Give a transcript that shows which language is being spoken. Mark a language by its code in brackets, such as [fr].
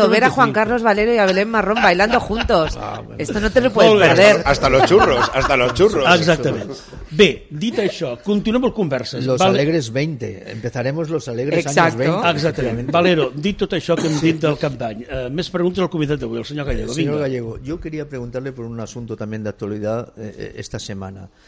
[es] Barato. Ver a Juan Carlos Valero y a Belén Marrón bailando juntos. Bueno. Esto no te lo puedes perder. Hasta los churros. Exactamente. [ca] Bé, dit això, continuem el converses. [es] Los alegres 20. Empezaremos los alegres años 20. [ca] Exactament. Valero, dit tot això que hem dit del Cap d'Any, més preguntes al convidat d'avui, el senyor Gallego. [es] Senyor Gallego, [ca] jo [es] quería preguntarle por un asunto también de actualidad esta semana.